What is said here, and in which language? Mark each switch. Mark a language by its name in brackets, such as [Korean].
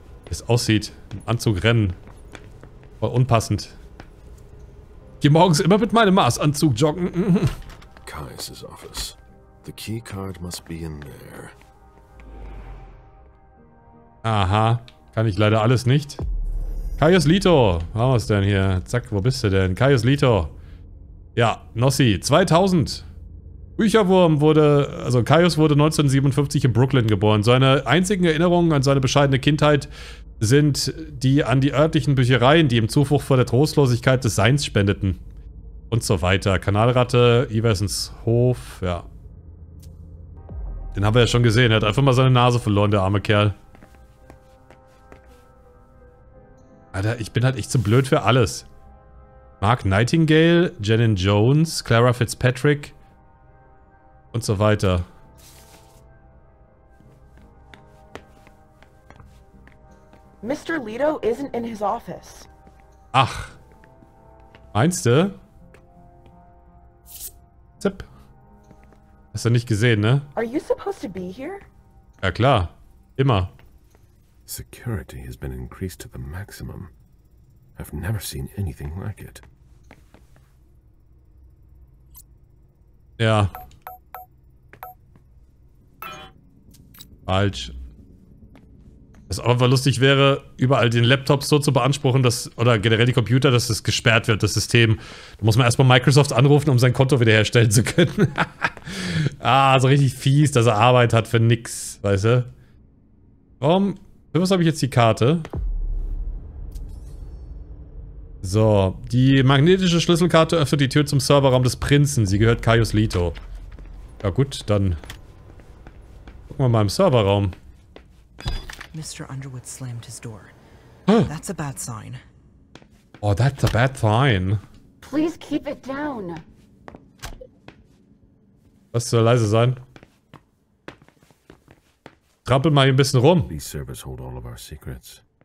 [German] Es aussieht im Anzug rennen. Voll unpassend. Ich gehe morgens immer mit meinem Maßanzug joggen. [English] Kai's office. The key card must be in there. [German] Aha. Kann ich leider alles nicht. Caius Leto, was haben wir denn hier? Zack, wo bist du denn? Caius Leto. Ja, Nossi, 2000. Bücherwurm wurde, also Caius wurde 1957 in Brooklyn geboren. Seine einzigen Erinnerungen an seine bescheidene Kindheit sind die an die örtlichen Büchereien, die ihm Zuflucht vor der Trostlosigkeit des Seins spendeten. Und so weiter. Kanalratte, Iversens Hof, ja. Den haben wir ja schon gesehen. Er hat einfach mal seine Nase verloren, der arme Kerl. Alter, ich bin halt echt zu blöd für alles. Mark Nightingale, Janine Jones, Clara Fitzpatrick und so weiter. [English] Mr. Leto isn't in his office. [German] Ach. Meinst du? Zip. Hast du nicht gesehen, ne? [English] Are you supposed to be here? [German] Ja klar. Immer. [English] Security has been increased to the maximum. I've never seen anything like it. [German] Ja. Falsch. Was auch einfach lustig wäre, überall den Laptop so zu beanspruchen, dass, oder generell die Computer, dass es gesperrt wird, das System. Da muss man erstmal Microsoft anrufen, um sein Konto wiederherstellen zu können. Ah, so richtig fies, dass er Arbeit hat für nix, weißt du? Warum? Für was habe ich jetzt die Karte? So, die magnetische Schlüsselkarte öffnet die Tür zum Serverraum des Prinzen. Sie gehört Caius Leto. Ja gut, dann gucken wir mal im Serverraum. [English] Mr. Underwood slammed his door. That's a bad sign. Oh, that's a bad sign. Please keep it down. [German] Lass es leise sein. Trampel mal hier ein bisschen rum. [English] These servers hold all of our secrets.